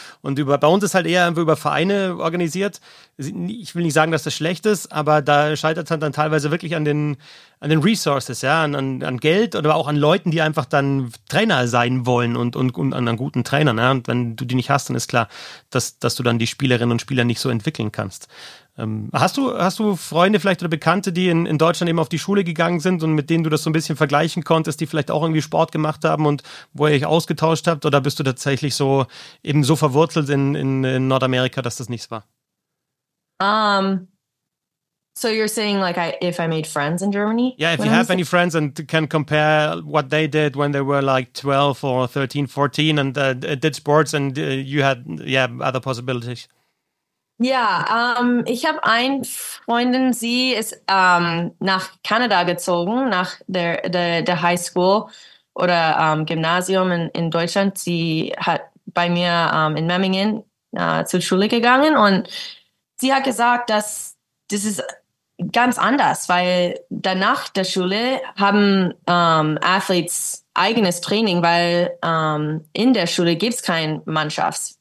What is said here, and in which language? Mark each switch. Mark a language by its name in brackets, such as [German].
[German] Und bei uns ist halt eher einfach über Vereine organisiert. Ich will nicht sagen, dass das schlecht ist, aber da scheitert es dann teilweise wirklich an den Resources, ja, an Geld oder auch an Leuten, die einfach dann Trainer sein wollen und an guten Trainern, ja. Und wenn du die nicht hast, dann ist klar, dass du dann die Spielerinnen und Spieler nicht so entwickeln kannst. Hast du Freunde vielleicht oder Bekannte, die in Deutschland eben auf die Schule gegangen sind und mit denen du das so ein bisschen vergleichen konntest, die vielleicht auch irgendwie Sport gemacht haben und wo ihr euch ausgetauscht habt, oder bist du tatsächlich so eben so verwurzelt in Nordamerika, dass das nichts war? [English] So you're saying, like, if I made friends in Germany? Yeah, if you have any friends and can compare what they did when they were like 12 or 13, 14 and did sports and you had, yeah, other possibilities. [German] Yeah, ich habe eine Freundin, sie ist nach Kanada gezogen, nach der High School oder Gymnasium in Deutschland. Sie hat bei mir in Memmingen zur Schule gegangen, und sie hat gesagt, dass das ist ganz anders, weil danach der Schule haben Athletes eigenes Training, weil in der Schule gibt's keine Mannschaft.